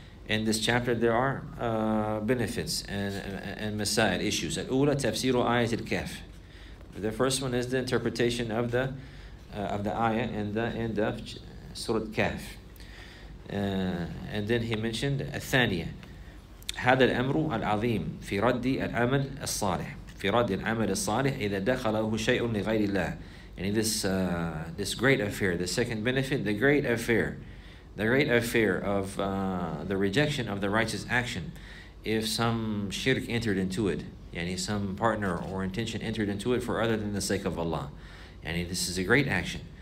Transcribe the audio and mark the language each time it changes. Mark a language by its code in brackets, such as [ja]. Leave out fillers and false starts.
[en] In this chapter, there are benefits and masail issues. [ar] Al-ula tafsiru ayat al-kaf. [en] The first one is the interpretation of the ayah in the end of Surah Kaf. And then he mentioned al-thaniya. [ar] هذا الأمر العظيم في رد العمل الصالح في رد العمل الصالح إذا دخله شيء لغير الله. [en] And this this great affair, the second benefit, the great affair of the rejection of the righteous action, if some shirk entered into it, يعني some partner or intention entered into it for other than the sake of Allah, يعني this is a great action.